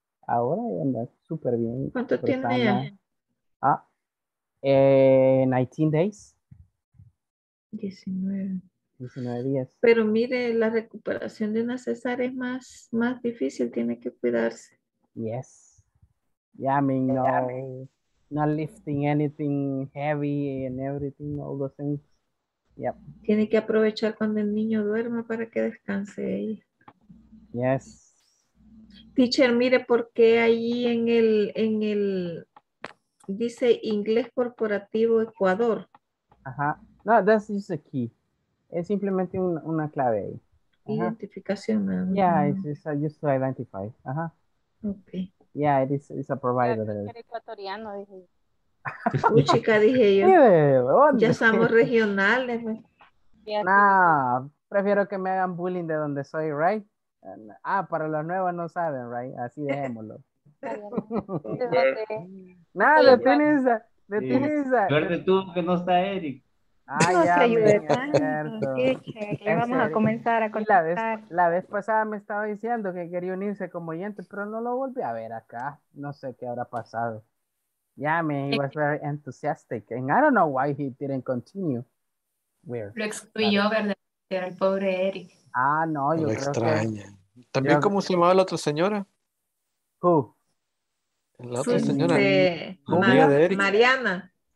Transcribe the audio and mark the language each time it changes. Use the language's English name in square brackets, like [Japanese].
[Spanish] Ahora ya anda súper bien. ¿Cuánto tiene ella? [English] Ah. 19 days. 19 [Spanish] días. Pero mire, la recuperación de una cesárea es más difícil, tiene que cuidarse. [English] Yes. Yeah, I mean, no, not lifting anything heavy and everything, all those things. Yep. [Spanish] Tiene que aprovechar cuando el niño duerma para que descanse ella. [English] Yes. [Spanish] Teacher, mire, porque ahí en el dice Inglés Corporativo Ecuador. Ajá. [English] No, that's just a key. [Spanish] Es simplemente una clave ahí. Identificación. [English] Yeah, it's just to identify. Ajá. Okay. Yeah, it's a provider. [Spanish] Era ecuatoriano, dije. Puchica, dije yo. Ya somos regionales. Nah, prefiero que me hagan bullying de donde soy, right? Ah, para los nuevos no saben, right? Así dejémoslo. [English] No, the thing is that [Spanish] Verde tú que no está Eric. Ay, ya, le vamos a comenzar a contar. La vez pasada me estaba diciendo que quería unirse como oyente, pero no lo volví a ver acá. No sé qué habrá pasado. [English] Yeah, man, he was very enthusiastic. And I don't know why he didn't continue. Weird. [Spanish] Lo excluyó, ¿verdad? Era el pobre Eric. Ah, no, yo creo extraña. Que... También, ¿cómo se llamaba la otra señora? [English] Who? [Spanish] La otra señora. De... Mariana.